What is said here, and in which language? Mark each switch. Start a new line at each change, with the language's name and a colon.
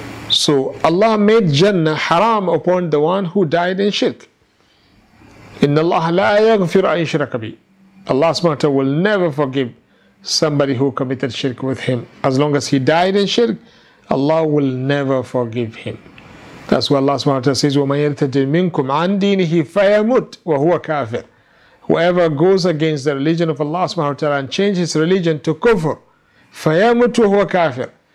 English: So Allah made Jannah haram upon the one who died in shirk.
Arabic: Inna Allah la yaghfiru an yushraka bih.
English: Allah subhanahu wa ta'ala will never forgive somebody who committed shirk with him. As long as he died in shirk, Allah will never forgive him. That's why Allah subhanahu wa ta'ala says,
Arabic: وَمَنْ يَرْتَدِ مِنْكُمْ عَنْ دِينِهِ فَيَمُتْ وَهُوَ كَافِرٌ.
English: Whoever goes against the religion of Allah subhanahu wa ta'ala and changes his religion to kufr,
Arabic: فَيَمُتْ وَهُوَ كَافِرٌ.